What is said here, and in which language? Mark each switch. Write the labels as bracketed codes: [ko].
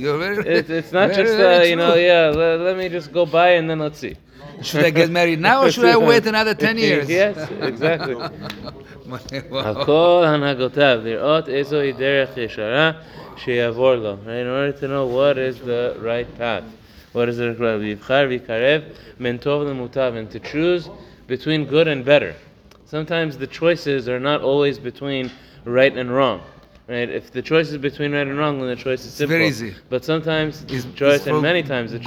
[en] You're very, it's not very, just, very you know, yeah, let me just go buy and then let's see. Should I get married now or should I wait another 10 years? Yes, exactly. [he] הכל הנהגותיו, לראות איזו היא דרך ישרה שיעבור לו. [en] In order to know what is the right path. What is the right path? [he] ויבחר ויקרב, מן טוב למוטב. [en] And to choose between good and better. Sometimes the choices are not always between right and wrong. Right? If the choice is between right and wrong, then the choice is simple. It's very easy. But sometimes the choice, and many times the choice